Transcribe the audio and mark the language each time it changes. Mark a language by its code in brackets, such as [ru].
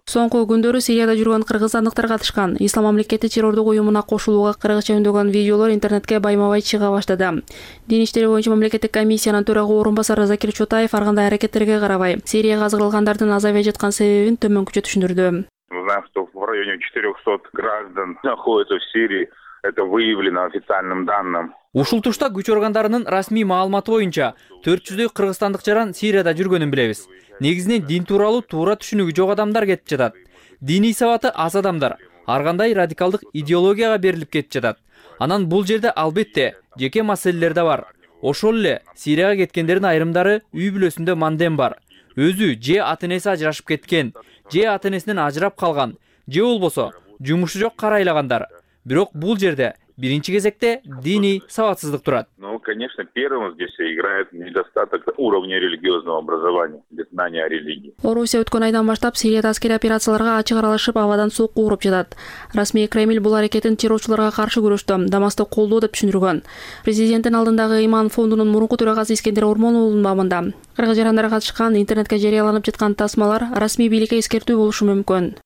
[ky] Соңку күндөрү Сирияда жүргөн кыргызстандыктар катышкан. Ислам мамлекети террордук уюмуна кошулууга кыргызча үндөгөн видеолор интернетке байма-бай чыга баштады. Дин иштери боюнча мамлекеттик комиссиянын төрагы орун басары Закир Чотаев ар кандай аракеттерге карабай, Сирияга азгырылгандардын азайбай жаткан себебин төмөнкүчө түшүндүрдү. [ru] Мы знаем, что в районе 400 граждан находятся в Сирии. Это выявлено официальным данным. [ky] Ушул тушта күч органдарынын расмий маалыматы боюнча 400 кыргызстандык жаран Сирияда жүргөнүн билебиз. Негизинен дин тууралуу туура түшүнүгү жок адамдар кетип жатат. Диний сабаты аз адамдар ар кандай радикалдык идеологияга берилип кетип жатат. Анан бул жерде албетте жеке маселелер да бар. Ошол эле Сирияга кеткендердин айрымдары үй бүлөсүндө мандем бар. Өзү же ата-энеси ажырашып кеткен, же ата-энесинен ажырап калган, же болбосо жумушу жок карайлагандар. Бирок бул жерде биринчи кезекте диний саватсыздык турат. [ru] Ну, конечно, первым здесь играет недостаток уровня религиозного образования, знания о религии. [ky] Орусия өткөн айдан баштап Сирияда аскерий операцияларга ачык аралашып, абадан суук ууруп жатат. Расмий Кремль бул аракетин террорчуларга каршы күрөштө Дамаскты колдоо деп түшүндүргөн. Президенттин алдындагы Иман фондунун мурунку төрагасы Искендер Ормонулунун мамында кыргыз жарандары катышкан интернетке жарыяланып жаткан тасмалар расмий бийликке эскертүү болушу мүмкүн.